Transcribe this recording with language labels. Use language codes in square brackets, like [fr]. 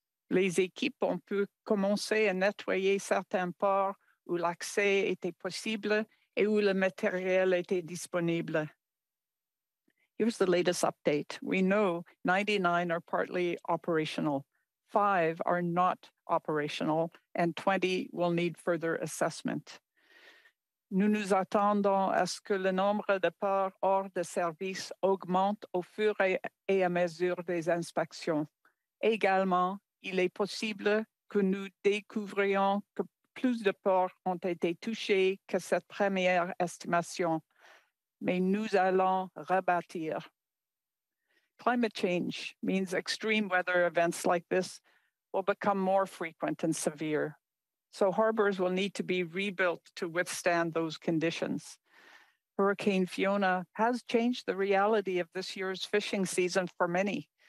[fr] Les équipes ont pu commencer à nettoyer certains ports où l'accès était possible et où le matériel était disponible. [en] Here's the latest update. We know 99 are partly operational, 5 are not operational, and 20 will need further assessment. [fr] Nous nous attendons à ce que le nombre de ports hors de service augmente au fur et à mesure des inspections. Également, il est possible que nous découvrions que plus de ports ont été touchés que cette première estimation, mais nous allons rebâtir. [en] Climate change means extreme weather events like this will become more frequent and severe. So harbors will need to be rebuilt to withstand those conditions. Hurricane Fiona has changed the reality of this year's fishing season for many.